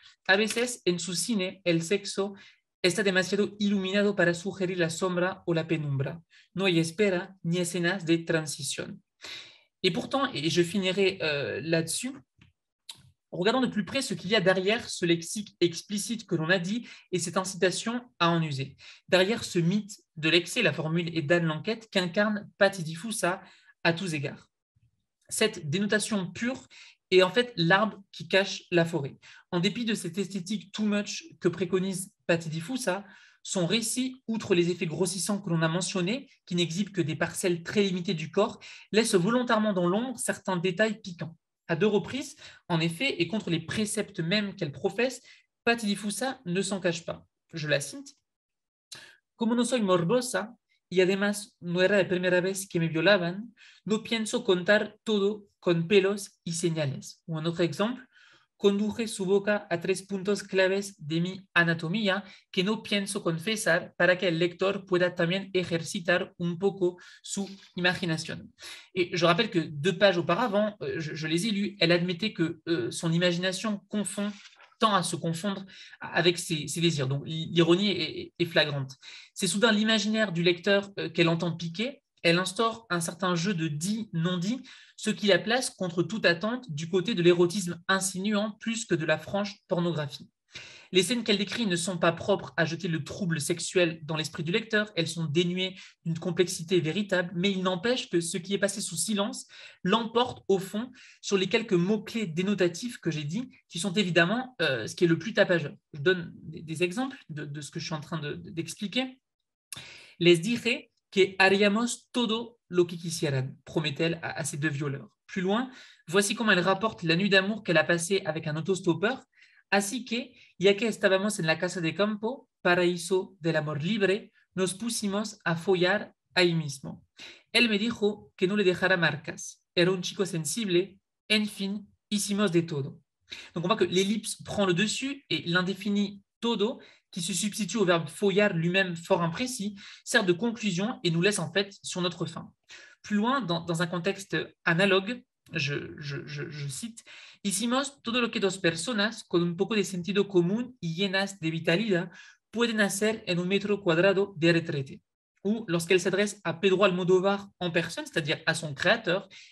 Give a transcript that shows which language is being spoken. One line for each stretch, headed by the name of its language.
Spanish: A veces, en su cine, el sexo está demasiado iluminado para sugerir la sombra o la penumbra. No hay espera ni escenas de transición.
French: Et pourtant, et je finirai là-dessus, regardons de plus près ce qu'il y a derrière ce lexique explicite que l'on a dit et cette incitation à en user. Derrière ce mythe de l'excès, la formule est d'Anne Lenquette, qu'incarne Patti Di Fussa à tous égards. Cette dénotation pure est en fait l'arbre qui cache la forêt. En dépit de cette esthétique
English: too much
French: que préconise Patti Di Fussa, son récit, outre les effets grossissants que l'on a mentionnés, qui n'exhibent que des parcelles très limitées du corps, laisse volontairement dans l'ombre certains détails piquants. À deux reprises, en effet, et contre les préceptes mêmes qu'elle professe, Patti Di Fussa ne s'en cache pas. Je la cite.
Spanish: Como no soy morbosa, y además no era la primera vez que me violaban, no pienso contar todo con pelos y señales.
French: Ou un autre exemple.
Spanish: Conduje su boca a tres puntos claves de mi anatomía que no pienso confesar para que el lector pueda también ejercitar un poco su imaginación.
French: Et je rappelle que deux pages auparavant, je les ai lues, elle admettait que son imagination tend à se confondre avec ses désirs. Donc l'ironie est flagrante. C'est soudain l'imaginaire du lecteur qu'elle entend piquer. Elle instaure un certain jeu de dit, non-dit, ce qui la place contre toute attente du côté de l'érotisme insinuant plus que de la franche pornographie. Les scènes qu'elle décrit ne sont pas propres à jeter le trouble sexuel dans l'esprit du lecteur, elles sont dénuées d'une complexité véritable, mais il n'empêche que ce qui est passé sous silence l'emporte au fond sur les quelques mots-clés dénotatifs que j'ai dit, qui sont évidemment ce qui est le plus tapageur. Je donne des exemples de ce que je suis en train d'expliquer.
Spanish: Les dire que haríamos todo lo que quisieran,
French: promet-elle à ses deux violeurs. Plus loin, voici comment elle rapporte la nuit d'amour qu'elle a passée avec un autostoppeur.
Spanish: Así que, ya que estábamos en la casa de campo, paraíso del amor libre, nos pusimos a follar ahí mismo. Él me dijo que no le dejara marcas. Era un chico sensible. En fin, hicimos de todo.
French: Donc on voit que l'ellipse prend le dessus et l'indéfini todo, qui se substitue au verbe follar lui-même fort imprécis, sert de conclusion et nous laisse en fait sur notre fin. Plus loin, dans un contexte analogue, je cite,
Spanish: « Hicimos todo lo que dos personas con un poco de sentido común y llenas de vitalidad pueden hacer en un metro cuadrado de retraite. »
French: Ou lorsqu'elle s'adresse à Pedro Almodovar en personne, c'est-à-dire à son créateur,